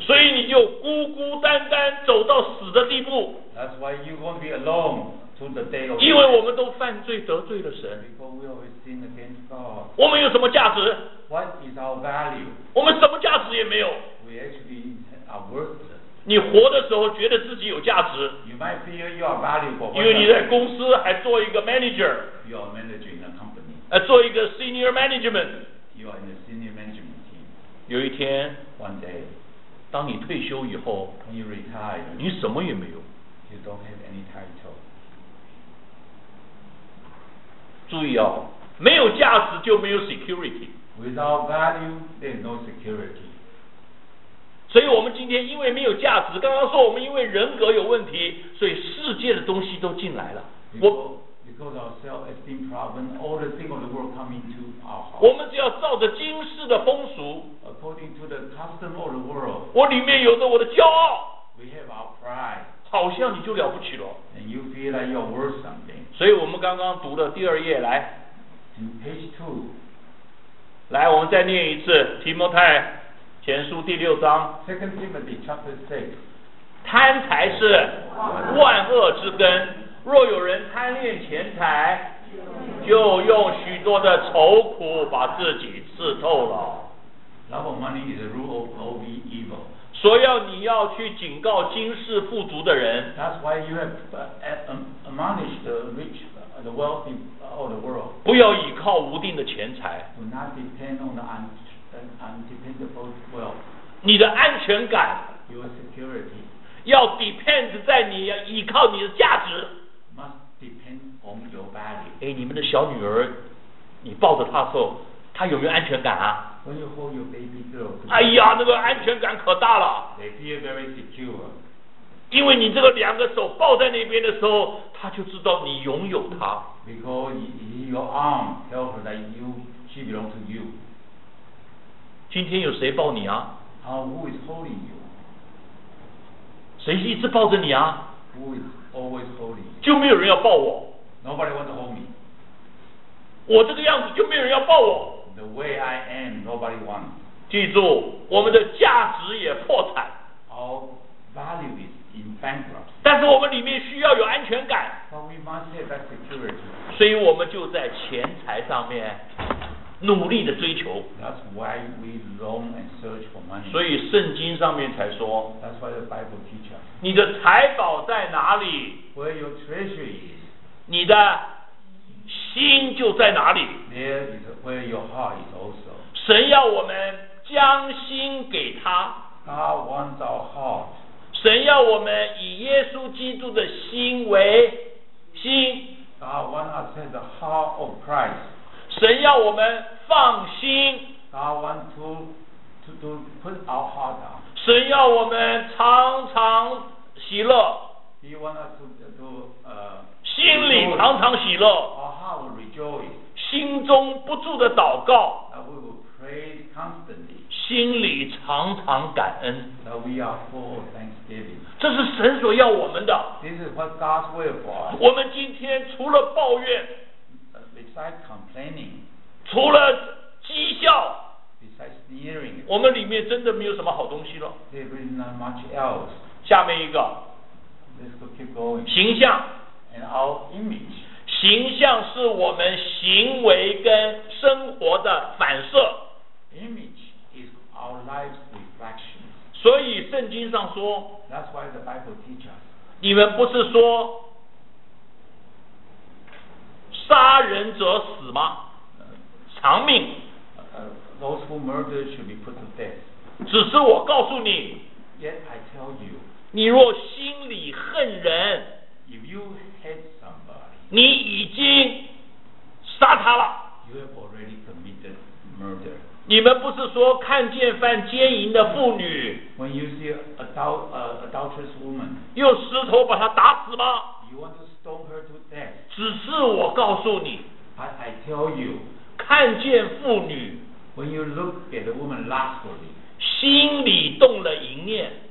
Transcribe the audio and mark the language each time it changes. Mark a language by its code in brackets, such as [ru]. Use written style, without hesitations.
[zh] 所以你就孤孤单单走到死的地步。 [en] That's why you won't be alone to the day of death. [zh] 因为我们都犯罪得罪了神。 [en] Because we always sin against God. [zh] 我们有什么价值？ [en] What is our value? [zh] 我们什么价值也没有。 [en] We actually are worthless. [zh] 你活的时候觉得自己有价值。 [en] You might feel you are valuable. [zh] 因为你在公司还做一个 manager. [en] You are managing a company. [zh] 做一个 [en] senior management. You are in the senior management team. [zh] 有一天 [en] ，one day， [zh] 当你退休以后 [en] ，when you retire， [zh] 你什么也没有 [en] ，you don't have any title。 [zh] 注意哦，没有价值就没有 security。 [en] Without value, there's no security. [zh] 所以我们今天因为没有价值，刚刚说我们因为人格有问题，所以世界的东西都进来了。 [en] Because our self-esteem problem, all the things of the world come into our heart. [zh] 我们只要照着今世的风俗。 [en] According to the custom of the world. [zh] 我里面有着我的骄傲。 [en] We have our pride. [zh] 好像你就了不起了。 [en] And you feel like you're worth something. [zh] 所以我们刚刚读的第二页来。 [en] In page two. [zh] 来，我们再念一次《提摩太前书》第六章。 [en] Second Timothy chapter six. [zh] 贪财是万恶之根。若有人贪恋钱财，就用许多的愁苦把自己刺透了。 [en] Love of money is the root of all evil. [zh] 所以你要去警告今世富足的人。 [en] That's why you have admonished the rich, the wealthy of the world. [zh] 不要倚靠无定的钱财。 [en] Do not depend on the undependable wealth. [zh] 你的安全感。 [en] Your security. [zh] 要 depend 在你依靠你的价值。 [en] Depend on your value. [zh] 哎，你们的小女儿，你抱着她的时候，她有没有安全感啊 [en] ？When you hold your baby girl. [zh] 哎呀，那个安全感可大了。 [en] They feel very secure. [zh] 因为你这个两个手抱在那边的时候，她就知道你拥有她。 [en] Because your arm tells her that she belongs to you. [zh] 今天有谁抱你啊 [en] ？Who is holding you? [zh] 谁一直抱着你啊 [en] ？Who is? Always holding. [zh] 就没有人要抱我。 [en] Nobody wants to hold me. [zh] 我这个样子就没有人要抱我。 [en] The way I am, nobody wants. [zh] 记住，我们的价值也破产。 [en] Our value is in bankruptcy. [zh] 但是我们里面需要有安全感。 [en] But we must have that security. [zh] 所以我们就在钱财上面努力的追求。 [en] That's why we long and search for money. [zh] 所以圣经上面才说。 [en] That's why the Bible teaches. [zh] 你的财宝在哪里 [en] ？Where your treasure is. [zh] 你的心就在哪里 [en] ？There is where your heart is also. [zh] 神要我们将心给他。 [en] God wants our heart. [zh] 神要我们以耶稣基督的心为心。 [en] God wants us to have the heart of Christ. [zh] 神要我们放心。 [en] God wants to put our heart down. [zh] 神要我们常常喜乐。 [en] He wants us to [zh] 心里常常喜乐。 [en] Our heart will rejoice. [zh] 心中不住的祷告。 [en] That we will pray constantly. [zh] 心里常常感恩。 [en] That we are full of thanksgiving. [zh] 这是神所要我们的。 [en] This is what God's will for us. [zh] 我们今天除了抱怨 [en] ，besides complaining， [zh] 除了讥笑 [en] ，besides sneering， [zh] 我们里面真的没有什么好东西了。 [en] There is not much else. [zh] 下面一个 [en] ，Let's go keep going. [zh] 形象 [en] ，and our image. [zh] 形象是我们行为跟生活的反射。 [en] Image is our life's reflection. [zh] 所以圣经上说。 [en] That's why the Bible teaches. [zh] 你们不是说杀人者死吗？偿命。 [en] Those who murder should be put to death. [zh] 只是我告诉你。 [en] Yet I tell you. [zh] 你若心里恨人。 [en] If you hate somebody. [zh] 你已经杀他了。 [en] You have already committed murder. [zh] 你们不是说看见犯奸淫的妇女 [en] When you see adulterous woman, [zh] 用石头把她打死吗 [en] you want to stone her to death. [zh] 只是我告诉你 [en] I tell you, [zh] 看见妇女 [en] When you look at the woman lustfully, [zh] 心里动了淫念